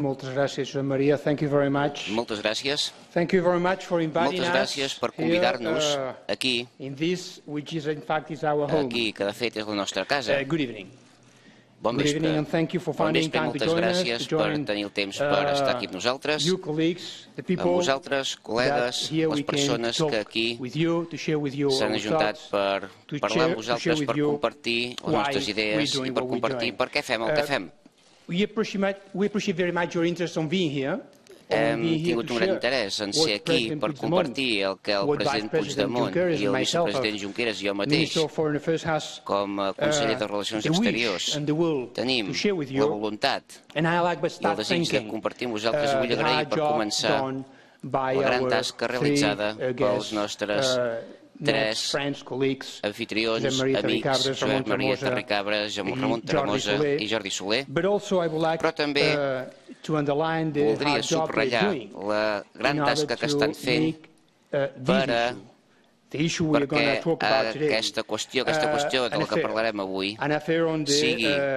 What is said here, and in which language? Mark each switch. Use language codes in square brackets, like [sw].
[ca] Moltes gràcies, Josep Maria. [en] Thank you very much. [ca] Moltes gràcies. [en] Thank you very much for inviting us. [ca] Moltes gràcies per convidar-nos aquí. [en] In this, which is in fact is our home. [ca] Aquí, que de fet és la nostra casa. [en] Good evening. [ca] Bon vespre. [en] Good evening and thank you for finding time to join us. [ca] Moltes gràcies per tenir el temps per estar aquí amb nosaltres. [en] You colleagues, the people, [ca] vosaltres, col·legues, les persones que aquí s'han ajuntat per parlar amb vosaltres, per compartir les nostres idees i per compartir per què fem el que fem. [en] We appreciate very much your interest on being here. [ca] Hem tingut un gran interès en ser aquí per compartir el que el president Puigdemont i el vicepresident Junqueras i jo mateix com a conseller de Relacions Exteriors tenim la voluntat i el desig de compartir amb vosaltres. Vull agrair per començar la gran tasca realitzada pels nostres tres anfitrions, amics, Josep Maria Terricabres, Ramon Tremosa i Jordi Soler, però també voldria subratllar la gran tasca que estan fent perquè aquesta qüestió de la que parlarem avui sigui